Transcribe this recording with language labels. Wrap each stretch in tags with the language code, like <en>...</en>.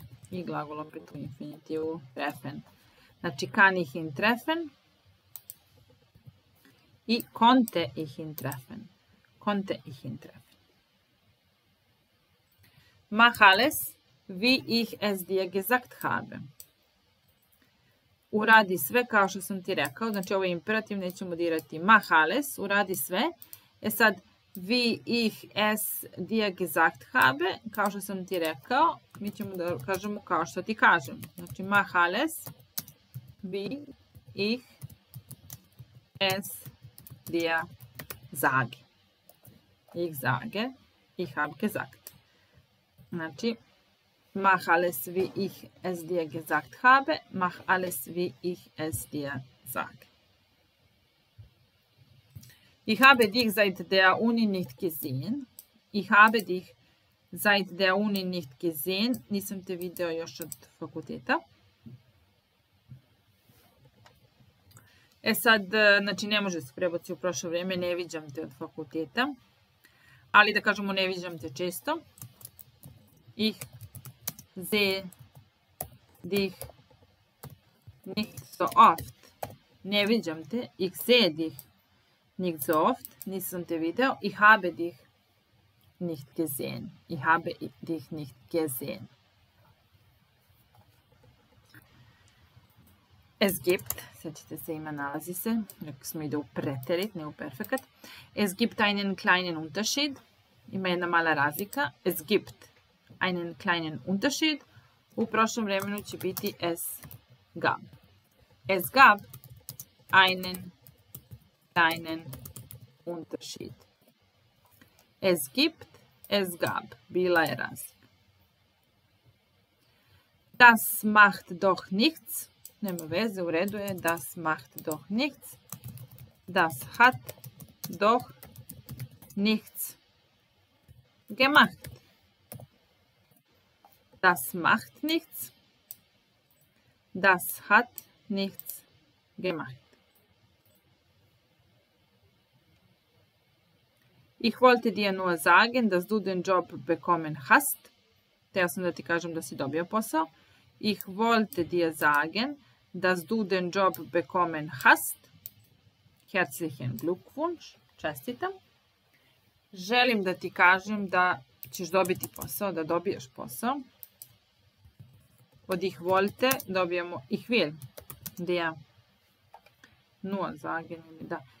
<sr>I glagol opet u infinitivu, treffen. Znači,</sr> <de>kann ich ihn treffen? I konnte ich ihn treffen? Konnte ich ihn treffen? Mach alles, wie ich es dir gesagt habe.</de> <sr>Uradi sve, kao što sam ti rekao. Znači, ovo je imperativ, nećemo dirati.</sr> <de>Mach alles,</de> <sr>uradi sve. E sad,</sr> <de>wie ich es dir gesagt habe,</de> <sr>kao što sam ti rekao, mi ćemo da kažemo kao što ti kažem.</sr> <de>Znači, mach alles, wie ich es dir sage. Ich sage, ich habe gesagt.</de> <sr>Znači,</sr> <de>mach alles, wie ich es dir gesagt habe, mach alles, wie ich es dir sage. Ich habe dich seit der Uni nicht gesehen. Ich habe dich seit der Uni nicht gesehen.</de> <sr>Nisam te video još od fakulteta. E sad, znači, ne može se prebaci u prošlo vrijeme, ne viđam te od fakulteta. Ali da kažemo, ne viđam te često.</sr> <de>Ich sehe dich nicht so oft.</de> <sr>Ne viđam te.</sr> <de>Ich sehe dich nicht so oft,</de> <sr>nisam te video.</sr> <de>Ich habe dich nicht gesehen. Ich habe dich nicht gesehen. Es gibt,</de> <sr>sjećate se, ima, nalazi se, rekli smo, ide u preterit, ne u perfekat.</sr> <de>Es gibt einen kleinen Unterschied.</de> <sr>Ima jedna mala razlika.</sr> <de>Es gibt einen kleinen Unterschied.</de> <sr>U prošlom vremenu će biti</sr> <de>es gab. Es gab einen kleinen Unterschied. Es gibt, es gab.</de> <sr>Bila je razlika.</sr> <de>Das macht doch nichts.</de> <sr>Nema veze, u redu je.</sr> <de>Das macht doch nichts. Das hat doch nichts gemacht. Das macht nichts. Das hat nichts gemacht. Ich wollte dir nur sagen, dass du den Job bekommen hast.</de> <sr>Teo sam da ti kažem da si dobio posao.</sr> <de>Ich wollte dir sagen, dass du den Job bekommen hast. Herzlichen Glückwunsch.</de> <sr>Čestitam. Želim da ti kažem da ćeš dobiti posao, da dobiješ posao. Od</sr> <de>ich wollte</de> <sr>dobijemo</sr> <de>ich will. Dir. Nur sagen.</de> <sr>Da.</sr>